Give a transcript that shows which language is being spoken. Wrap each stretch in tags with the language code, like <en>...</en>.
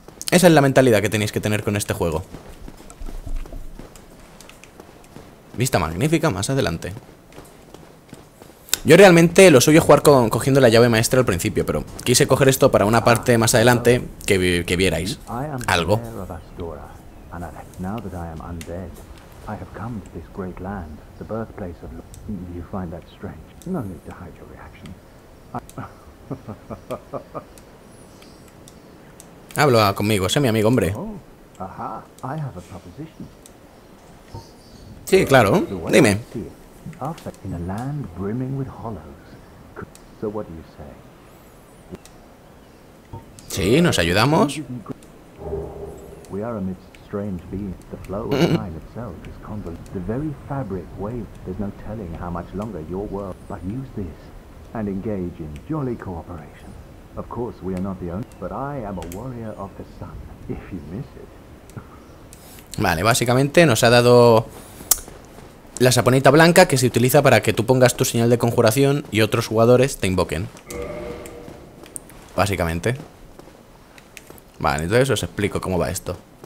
<es>Esa es la mentalidad que tenéis que tener con este juego. Vista magnífica, más adelante. Yo realmente lo suyo jugar cogiendo la llave maestra al principio, pero quise coger esto para una parte más adelante que vierais algo.</es> <en>And now that I am undead, I have come to this great land, the birthplace of... You find that strange? No need to hide your reaction.</en> <es>Habla conmigo, sé mi amigo, hombre.</es> <en>Oh, aha, I have a proposition.</en> <es>Sí, claro, dime.</es> <en>In a land brimming with hollows. So what do you say?</en> <es>Sí, nos ayudamos.</es> <en>We are amidst... Strange being, the flow of time itself is convoluted. The very fabric waves. There's no telling how much longer your world. But use this and engage in jolly cooperation. Of course, we are not the only. But I am a warrior of the sun. If you miss it.</en> <es>Vale, básicamente nos ha dado la saponita blanca que se utiliza para que tú pongas tu señal de conjuración y otros jugadores te invoquen. Básicamente. Vale, entonces os explico cómo va esto.</es>